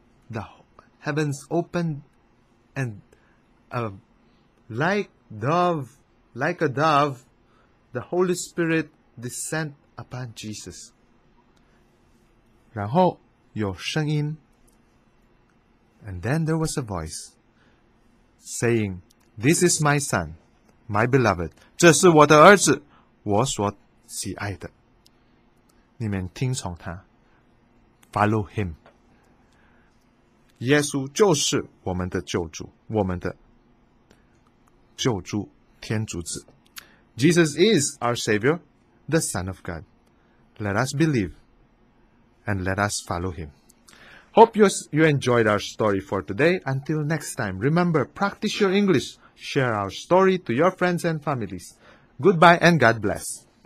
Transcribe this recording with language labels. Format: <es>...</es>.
<en>The heavens opened and like a dove, the Holy Spirit descend upon Jesus.</en> <zh>然后有声音，</zh> <en>And then there was a voice saying, This is my son, my beloved.</en> <zh>这是我的儿子，我所喜爱的。你们听从他，</zh> <en>Follow him.</en> <zh>耶稣就是我们的救主，我们的救主。天主子。</zh> <en>Jesus is our Savior, the Son of God. Let us believe and let us follow him. Hope you enjoyed our story for today. Until next time, remember, practice your English. Share our story to your friends and families. Goodbye and God bless.</en>